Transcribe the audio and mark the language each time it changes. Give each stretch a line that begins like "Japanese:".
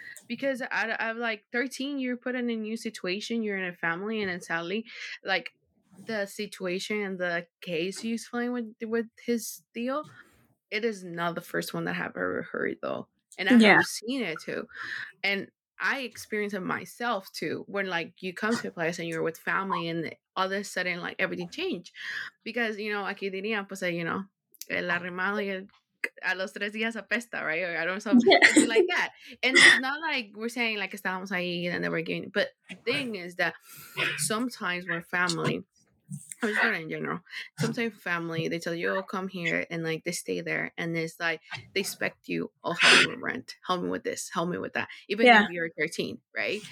English: Because I'm like 13, you're put in a new situation, you're in a family, and then sadly, like, the situation and the case you explained with his deal, it is not the first one that I've ever heard, though. And I have seen it, too. And I experienced it myself, too, when, like, you come to a place and you're with family, and all of a sudden, like, everything changed. Because, you know,
Spanish: aquí diría, pues,
English: you know,
Spanish: el arrimado y el... a los tres días apesta,
English: right? Or I don't know, something like that. And it's not like we're saying, like,
Spanish: estábamos ahí
English: and then we're getting, but the thing is that sometimes we're family, I'm just going in general, sometimes family, they tell you, oh, come here, and like, they stay there, and it's like, they expect you, oh, help me with rent, help me with this, help me with that, even if you're 13, right?